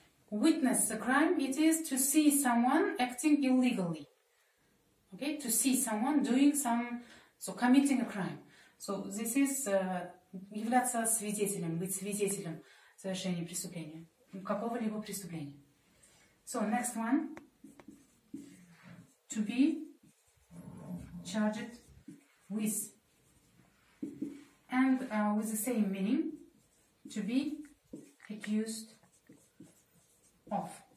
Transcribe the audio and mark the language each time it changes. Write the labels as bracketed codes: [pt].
[en] Witness the crime, it is to see someone acting illegally. Okay, to see someone doing some, so committing a crime. So this is [ru] являться свидетелем, быть свидетелем совершения преступления, какого-либо преступления. [en] So next one, to be charged with, and with the same meaning, to be accused of.